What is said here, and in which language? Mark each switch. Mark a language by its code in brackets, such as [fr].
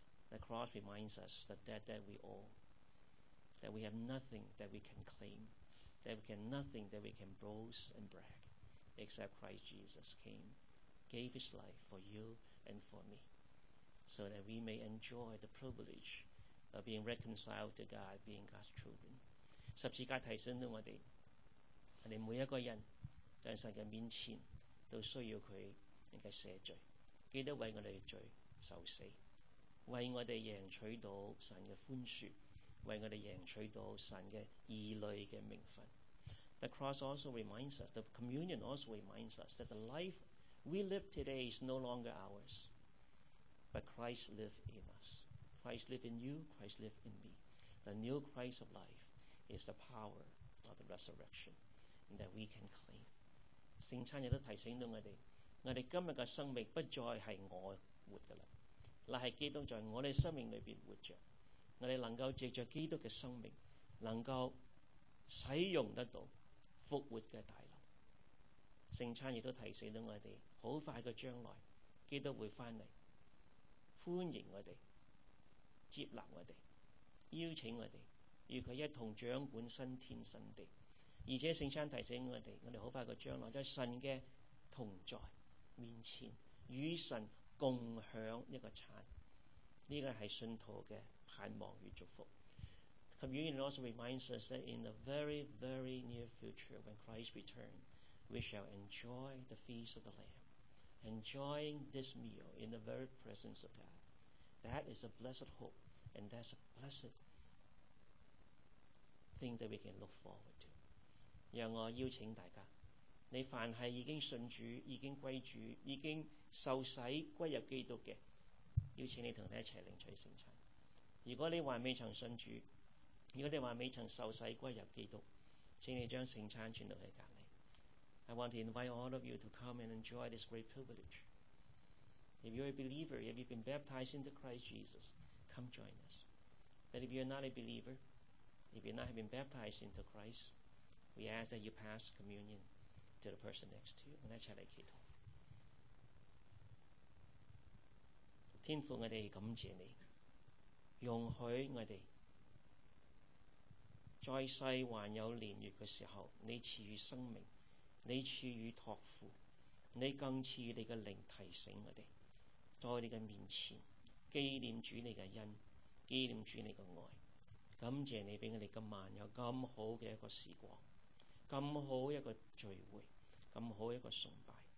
[en] The cross reminds us the debt that we owe. That we have nothing that we can claim, that we can nothing that we can boast and brag, except Christ Jesus came, gave his life for you and for me, so that we may enjoy the privilege of being reconciled to God, being God's children. [zh] 十字架提醒到我们，我们每一个人在神的面前都需要祂的赦罪，基督为我们的罪受死，为我们赢取到神的宽恕，为我们赢取到神的义律的名分。 [en] The cross also reminds us, the communion also reminds us that the life we live today is no longer ours, but Christ lives in us. Christ lives in you, Christ lives in me. The new Christ of life is the power of the resurrection that we can claim. [zh] 圣餐也都提醒到我们，我们今天的生命不再是我活的了，乃是基督在我们生命里面活着。我们能够借着基督的生命，能够使用得到复活的大能。圣餐也都提醒到我们，很快的将来基督会回来，欢迎我们，接纳我们，邀请我们与祂一同掌管新天新地。而且圣餐提醒我们，我们很快的将来在神的同在面前与神共享一个餐，这个是信徒的盼望与祝福。 [en] Communion also reminds us that in the very, very near future, when Christ returns, we shall enjoy the feast of the Lamb. Enjoying this meal in the very presence of God. That is a blessed hope, and that's a blessed thing that we can look forward to. [zh] 让我邀请大家，你凡是已经信主、已经归主、已经受洗归入基督的，邀请你同你一起领取圣餐。如果你还未曾信主，如果你还未曾受洗归入基督，请你将圣餐传到去隔离。 [en] I want to invite all of you to come and enjoy this great privilege. If you're a believer, if you've been baptized into Christ Jesus, come join us. But if you're not a believer, if you're not have been baptized into Christ, we ask that you pass communion to the person next to you. [zh] 我们一起来祈祷。天父，我们感谢你，容许我们在世还有年月的时候，你赐予生命，你赐予托付，你更赐予你的灵提醒我们，在你的面前纪念主你的恩，纪念主你的爱，感谢你给我们今晚有这么好的一个时光，这么好一个聚会，这么好一个崇拜，